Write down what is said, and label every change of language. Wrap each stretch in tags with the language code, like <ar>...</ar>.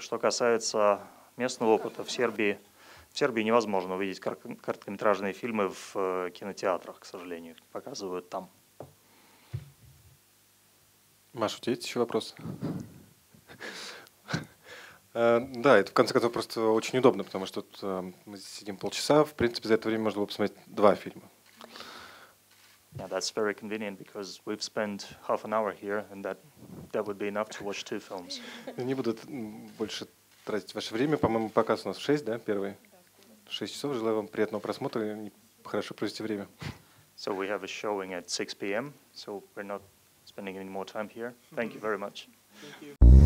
<ru>Что касается местного опыта, в Сербии невозможно увидеть короткометражные фильмы в кинотеатрах, к сожалению, их показывают там. Маша, у тебя есть еще вопрос? Да, это в конце концов просто очень удобно, потому что тут мы здесь сидим полчаса. В принципе, за это время можно было посмотреть два фильма.</ru> <en>Yeah, that's very convenient because we've spent half an hour here, and that would be enough to watch two films.</en> <ru>Не буду больше тратить ваше время. По-моему, показ у нас в 6, да, первый? 6 часов. Желаю вам приятного просмотра и хорошо провести время.</ru> <en>So we have a showing at 6 p.m., so we're not spending any more time here. Thank you very much. Thank you.</en>